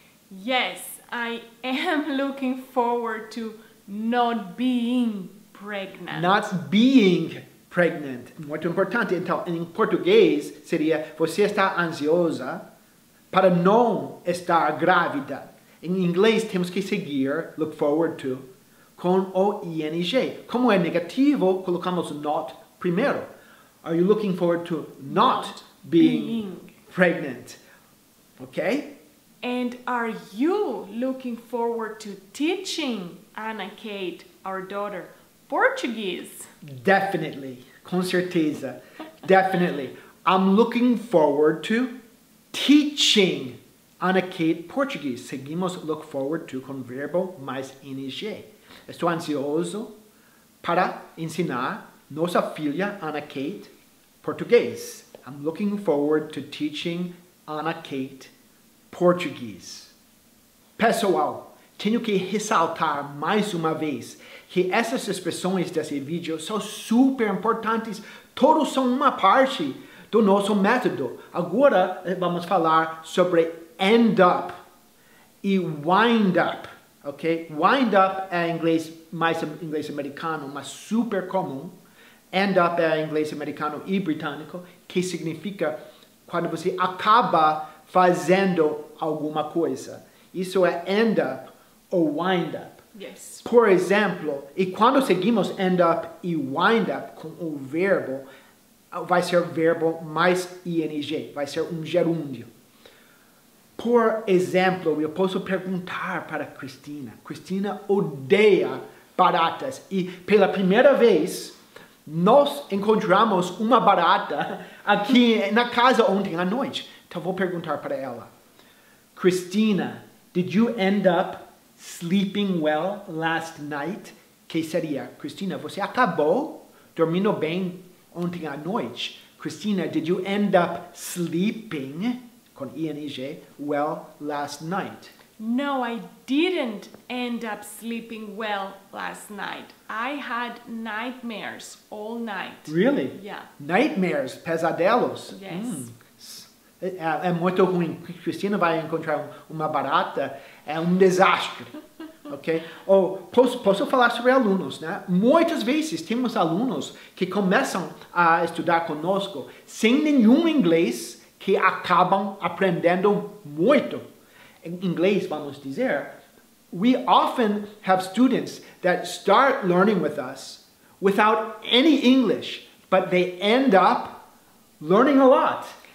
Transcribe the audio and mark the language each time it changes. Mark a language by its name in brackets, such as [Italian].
[English] Yes, I am looking forward to not being pregnant. Not being pregnant. [Portuguese] Muito importante. Então, em português, seria você está ansiosa para não estar grávida. Em inglês, temos que seguir [English] look forward to [Portuguese] com o ing. Como é negativo, colocamos not primeiro. [English] Are you looking forward to not being pregnant? Okay? And are you looking forward to teaching Anna Kate, our daughter, Portuguese? Definitely. [Portuguese] Com certeza. [English] Definitely. I'm looking forward to teaching Anna Kate Portuguese. [Portuguese] Seguimos [English] look forward to [Portuguese] com verbo mais ing. Estou ansioso para ensinar nossa filha Anna Kate Português. [English] I'm looking forward to teaching Anna Kate Portuguese. [Portuguese] Pessoal, tenho que ressaltar mais uma vez que essas expressões desse vídeo são super importantes. Todos são uma parte do nosso método. Agora vamos falar sobre end up e wind up. Okay? Wind up é inglês, mais inglês americano, mas super comum. End up é inglês americano e britânico, que significa quando você acaba fazendo alguma coisa. Isso é end up ou wind up. [English] Yes. [Portuguese] Por exemplo, e quando seguimos end up e wind up com o verbo, vai ser verbo mais ing, vai ser um gerúndio. Por exemplo, eu posso perguntar para Cristina. Cristina odeia baratas e pela primeira vez nós encontramos uma barata aqui na casa ontem à noite. Então vou perguntar para ela. [English] Cristina, did you end up sleeping well last night? [Portuguese] Que seria? Cristina, você acabou dormindo bem ontem à noite? [English] Cristina, did you end up sleeping, com ing, well last night? No, I didn't end up sleeping well last night. I had nightmares all night. Really? Yeah. Nightmares, [Portuguese] pesadelos. [English] Yes. [Portuguese] É muito ruim. Cristina vai encontrar uma barata. É desastre. Ok? Ou posso falar sobre alunos, né? Muitas vezes temos alunos que começam a estudar conosco sem nenhum inglês, que acabam aprendendo muito. [English] In English, [Portuguese] vamos dizer, [English] we often have students that start learning with us without any English, but they end up learning a lot.